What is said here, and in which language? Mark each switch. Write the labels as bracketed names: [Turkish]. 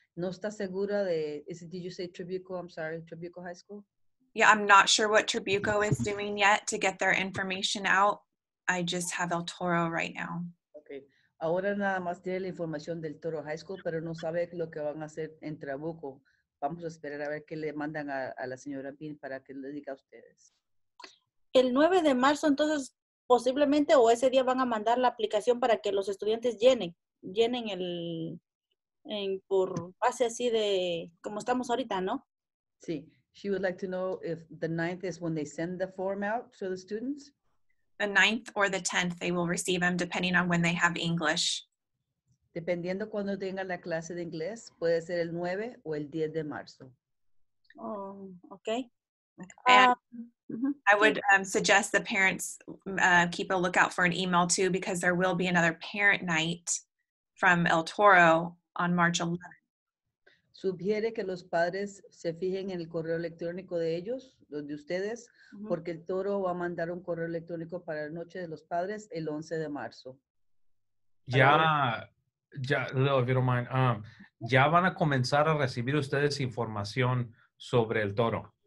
[Spanish] No está segura de, [English] did you say Tribuco? I'm sorry, Tribuco High School? Yeah, I'm not sure what Tribuco is doing yet to get their information out. I just have El Toro right now. [Spanish] Okay, ahora nada más tiene la información del Toro High School, pero no sabe lo que van a hacer en Trabuco. Vamos a esperar a ver qué le mandan a la señora Bean para que le diga a ustedes. El 9 de marzo, entonces, posiblemente, o ese día van a mandar la aplicación para que los estudiantes llenen el, en, por base así de, como estamos ahorita, ¿no? Sí. [English] She would like to know if the 9th is when they send the form out to the students. The 9th or the 10th, they will receive them depending on when they have English. [Spanish] Dependiendo cuando tengan la clase de inglés, puede ser el 9 o el 10 de marzo. [English] Oh, okay. I would suggest the parents keep a lookout for an email too, because there will be another parent night from El Toro on March 11th. [Spanish] Sugiere que los padres se fijen en el correo electrónico de ellos, los de ustedes, porque El Toro va a mandar un correo electrónico para la noche de los padres el 11 de marzo. Ya. Ya, Leo, [English] if you don't mind, [Spanish] ya van a comenzar a recibir ustedes información sobre El Toro.